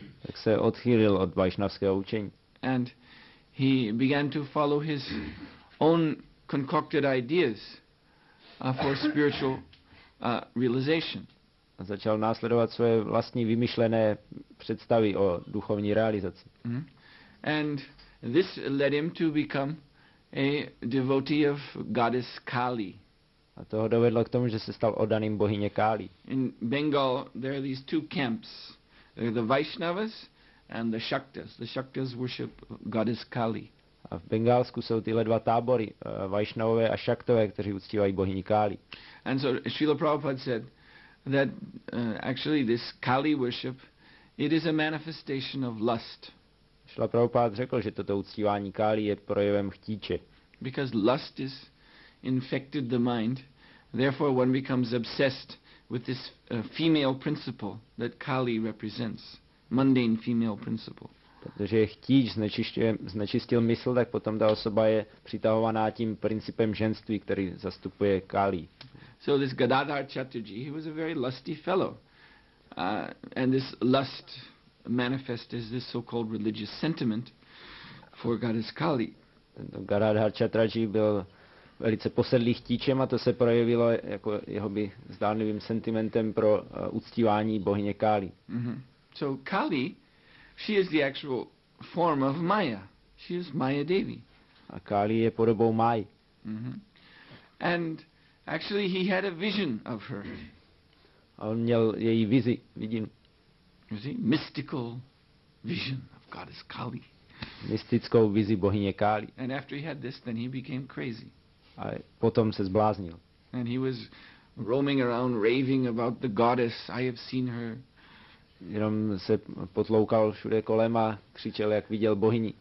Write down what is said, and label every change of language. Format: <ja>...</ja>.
<cs>Tak se odchýlil od vaishnavského učení.</cs> <en>And he began to follow his own concocted ideas for spiritual realization.</en> <cs>A začal následovat svoje vlastní vymyšlené představy o duchovní realizaci. Mm-hmm.</cs> <en>And this led him to become a devotee of goddess Kali.</en> <cs>A to ho dovedlo k tomu, že se stal oddaným bohyně Káli.</cs> <en>In Bengal there are these two camps. There are the Vaishnavas and the Shaktas. The Shaktas worship goddess Kali.</en> <cs>A v Bengálsku jsou tyhle dva tábory, Vaishnavové a Shaktové, kteří uctívají bohyni Káli.</cs> <en>And so Srila Prabhupada said that actually this Kali worship, it is a manifestation of lust.</en> <cs>Srila Prabhupada řekl, že toto uctívání Káli je projevem chtíče.</cs> <en>Because lust is infected the mind, therefore one becomes obsessed with this female principle that Kali represents, mundane female principle.</en> <cs>Protože chtíč znečistil mysl, tak potom ta osoba je přitahovaná tím principem ženství, který zastupuje Kali.</cs> <en>So this Gadadhar Chatterjee, he was a very lusty fellow, and this lust manifests as this so-called religious sentiment for goddess Kali.</en> <cs>Tento Gadadhar Chatterjee byl velice posedlý chtíčem a to se projevilo jako jeho by zdánlivým sentimentem pro uctívání bohyně Kali.</cs> <en>Mm-hmm. So Kali, she is the actual form of Maya. She is Maya Devi.</en> <cs>A Kali je podobou Mai. Mm-hmm.</cs> <en>And actually he had a vision of her.</en> <cs>A on měl její vizi, vidím.</cs> <en>You see, mystical vision of goddess Kali.</en> <cs>Mystickou vizi bohyně Kali.</cs> <en>And after he had this, then he became crazy.</en> <cs>A potom se zbláznil.</cs> <en>And he was roaming around raving about the goddess. I have seen her.</en> <cs>Jenom se potloukal všude kolem a křičel, jak viděl bohyni.</cs>